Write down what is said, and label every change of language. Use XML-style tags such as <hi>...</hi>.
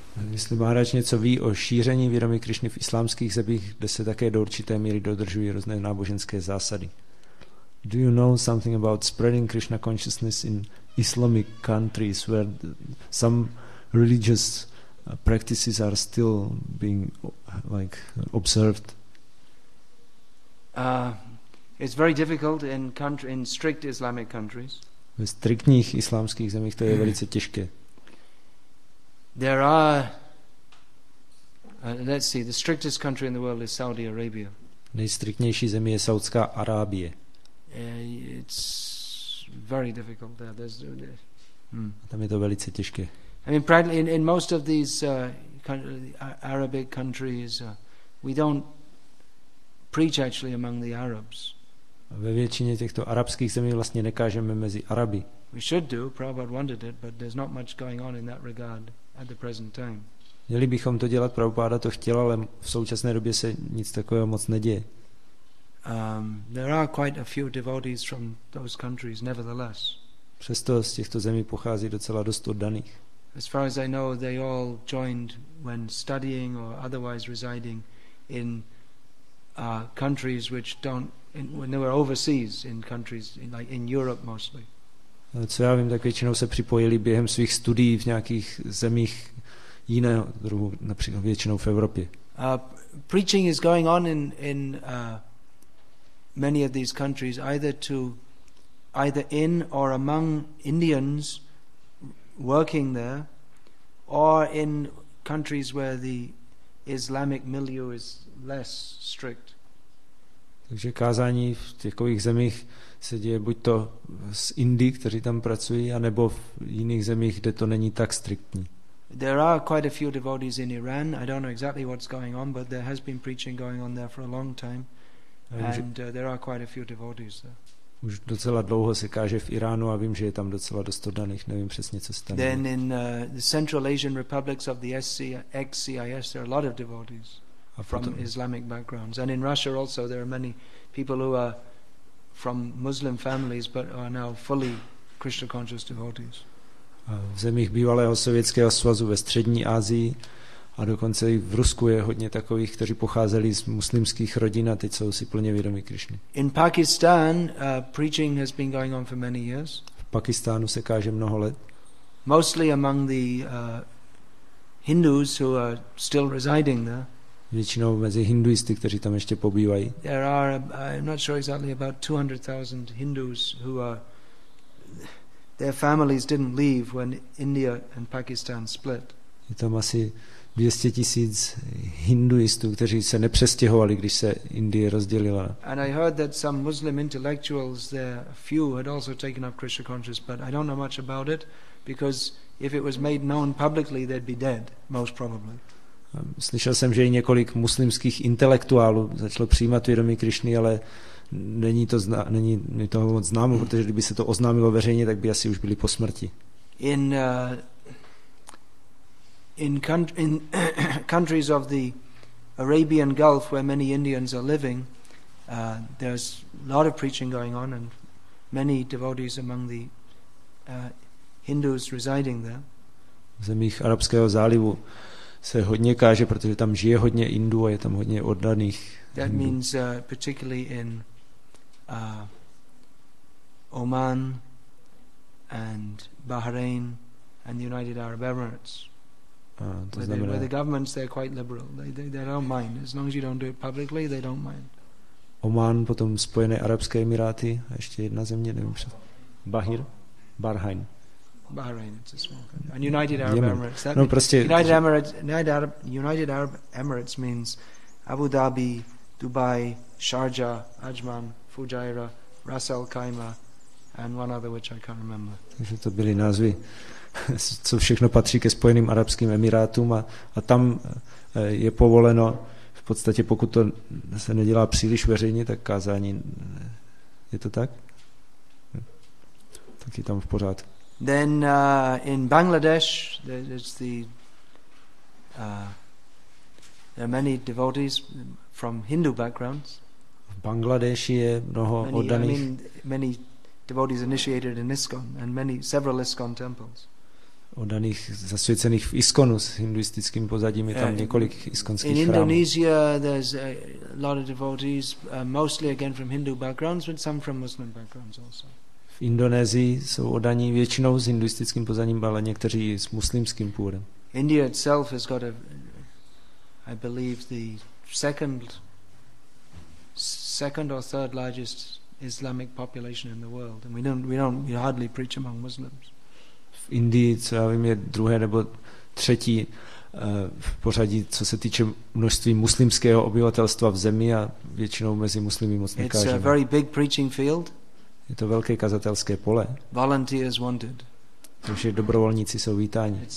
<cs>Jestli Maharaj něco ví o šíření vědomí Krišny v islámských zemích, kde se také do určité míry dodržují různé náboženské zásady.</cs> <en>Do you know something about spreading Krishna consciousness in Islamic countries where some religious practices are still being like observed? It's very difficult in strict Islamic countries.</en> <cs>Ve striktních islámských zemích to je velice těžké.</cs> <en>There are let's see, the strictest country in the world is Saudi Arabia.</en> <cs>Nejstriktnější země je Saudská Arábie.</cs> <en>It's very difficult there.</en> <cs>Tam je to velice těžké.</cs> <en>I mean, practically in most of these Arabic countries, we don't preach actually among the Arabs.</en> <cs>Ve většině těchto arabských zemí vlastně nekážeme mezi Araby.</cs> <en>We should do. Prabhupada wanted it, but there's not much going on in that regard at the present time.</en> <cs>Měli bychom to dělat, Prabhupáda to chtěl, ale v současné době se nic takového moc neděje.</cs> <en>There are quite a few devotees from those countries, nevertheless.</en> <cs>Přesto z těchto zemí pochází docela dost oddaných.</cs> <en>As far as I know, they all joined when studying or otherwise residing in countries which don't, when they were overseas in countries like in Europe mostly.</en> <cs>Co já vím, tak většinou se připojili během svých studií v nějakých zemích jiného druhu, například většinou v Evropě.</cs> <en>Preaching is going on in many of these countries either in or among Indians working there or in countries where the Islamic milieu is less strict.</en> <cs>Takže kázání v těchových zemích se děje buď to z Indii, kteří tam pracují, anebo v jiných zemích, kde to není tak striktní.</cs> <en>There are quite a few devotees in Iran. I don't know exactly what's going on, but there has been preaching going on there for a long time. And there are quite a few devotees there.</en> <cs>Už docela dlouho se káže v Iránu a vím, že je tam docela dost oddaných. Nevím přesně, co se tam.</cs> <en>Then in the Central Asian Republics of the ex-CIS, there are a lot of devotees from Islamic backgrounds. And in Russia also, there are many people who are from Muslim families, but are now fully Krishna conscious devotees.</en> <cs>V zemích bývalého Sovětského svazu ve Střední Asii a dokonce i v Rusku je hodně takových, kteří pocházeli z muslimských rodin a teď jsou si plně vědomi Krišny.</cs> <en>In Pakistan, preaching has been going on for many years.</en> <cs>V Pakistánu se káže mnoho let.</cs> <en>Mostly among the Hindus who are still residing there.</en> <cs>Většinou mezi hinduisty, kteří tam ještě pobývají.</cs> <en>There are, I'm not sure exactly, about 200,000 Hindus who are their families didn't leave when India and Pakistan split.</en> <cs>Je tam asi 200 tisíc hinduistů, kteří se nepřestěhovali, když se Indie rozdělila.</cs> <en>And I heard that some Muslim intellectuals there, a few, had also taken up Krishna consciousness, but I don't know much about it, because if it was made known publicly, they'd be dead, most probably.</en> <cs>Slyšel jsem, že i několik muslimských intelektuálů začalo přijímat vědomí Krišny, ale není mi toho moc známo, protože kdyby se to oznámilo veřejně, tak by asi už byli po smrti.</cs> <en>In countries of the Arabian Gulf, where many Indians are living, there's a lot of preaching going on, and many devotees among the Hindus residing there.</en> <cs>V zemích Arabského zálivu se hodně káže, protože tam žije hodně Indů a je tam hodně oddaných Hindů.</cs> <en>That means particularly in Oman and Bahrain and the United Arab Emirates. Where the governments, they're quite liberal. They don't mind. As long as you don't do it publicly, they don't mind.</en> <cs>Oman, potom Spojené arabské emiráty, a ještě jedna země, nevím přesně.</cs> <en>Bahrain. Bahrain, it's a small country. And United Arab Emirates. United Arab Emirates means Abu Dhabi, Dubai, Sharjah, Ajman, Fujairah, Ras Al Khaimah, and one other which I can't remember.</en> <cs>Takže to byly názvy, co všechno patří ke Spojeným arabským emirátům, a tam je povoleno, v podstatě pokud to se nedělá příliš veřejně, tak kázání, je to tak? Tak je tam v pořádku.</cs> <en>Then in Bangladesh, there are many devotees from Hindu backgrounds.</en> <cs>V Bangladeši je mnoho oddaných.</cs> <en>Many devotees initiated in ISKCON and several ISKCON temples.</en> <cs>Oddaných zasvěcených v ISKCONu s hinduistickým pozadím, je tam několik iskonských chrámů.</cs> <en>In Indonesia there's a lot of devotees, mostly again from Hindu backgrounds, but some from Muslim backgrounds also.</en> <cs>V Indonésii jsou oddaní většinou s hinduistickým pozadím, ale někteří s muslimským původem.</cs> <en>India itself has got I believe the second or third largest Islamic population in the world, and we hardly preach among Muslims.</en> <cs>V Indii, co já vím, je druhé nebo třetí v pořadí, co se týče množství muslimského obyvatelstva v zemi, a většinou mezi muslimy moc nekážeme.</cs> <en>It's a very big preaching field.</en> <cs>Je to velké kazatelské pole.</cs> <en>Volunteers wanted.</en> <cs>Takže dobrovolníci jsou vítáni.</cs>